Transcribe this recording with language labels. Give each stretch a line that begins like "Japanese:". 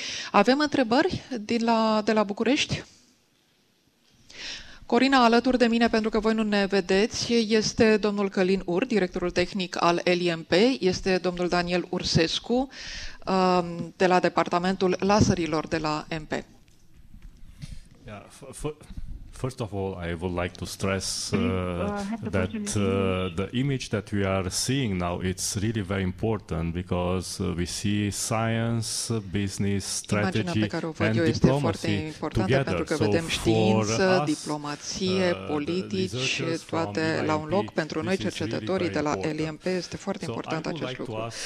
Romanian: Avem întrebări de la București? Corina, alături de mine, pentru că voi nu ne vedeți, este domnul Călin Ur, directorul tehnic al LIMP, este domnul Daniel Ursescu, de la departamentul laserilor de la MP.
English: Yeah, first of all, I would like to stress that the image that we are seeing now, it's really very important because we see science, business, strategy and diplomacy together. So for us,
Romanian: diplomație, politici, toate la un loc. Pentru noi, cercetătorii de la LIMP, este foarte important acest lucru.